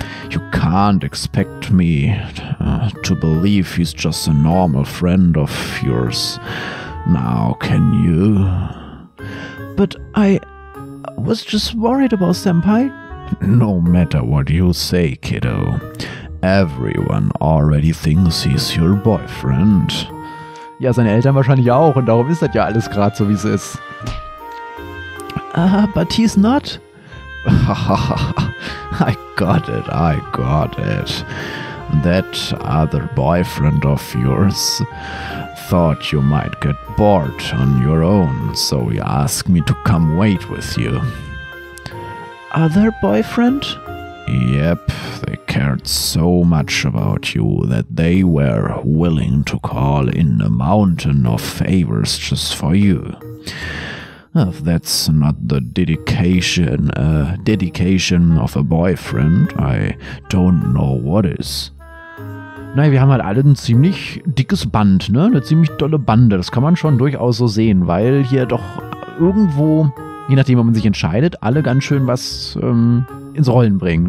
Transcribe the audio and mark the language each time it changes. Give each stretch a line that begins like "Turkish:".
English: You can't expect me to believe he's just a normal friend of yours. Now, can you? But I was just worried about Senpai. No matter what you say, kiddo, everyone already thinks he's your boyfriend.
German: Ja, seine Eltern wahrscheinlich auch, und darum ist das ja alles gerade so, wie es ist.
English: But he's not. I got it. That other boyfriend of yours thought you might get bored on your own, so he asked me to come wait with you. Other boyfriend? Yep, they cared so much about you that they were willing to call in a mountain of favors just for you. If that's not the dedication of a boyfriend, I don't know what is.
German: Naja, wir haben halt alle ein ziemlich dickes Band, ne? Eine ziemlich dolle Bande. Das kann man schon durchaus so sehen, weil hier doch irgendwo, je nachdem, wo man sich entscheidet, alle ganz schön was ins Rollen bringen.